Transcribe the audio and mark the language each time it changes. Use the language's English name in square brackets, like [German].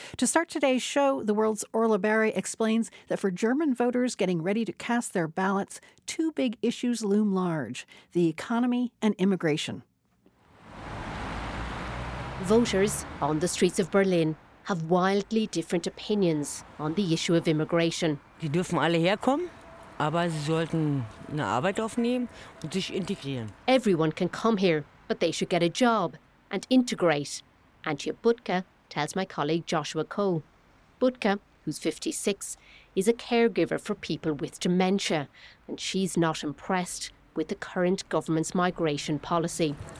[English] To start today's show, The World's Orla Barry explains that for German voters getting ready to cast their ballots, 2 big issues loom large: the economy and immigration. Voters on the streets of Berlin have wildly different opinions on the issue of immigration. [German] Die dürfen alle herkommen, aber sie sollten eine Arbeit aufnehmen und sich integrieren. [English] Everyone can come here, but they should get a job and integrate. Antje Butke tells my colleague Joshua Coe. Butke, who's 56, is a caregiver for people with dementia, and she's not impressed with the current government's migration policy.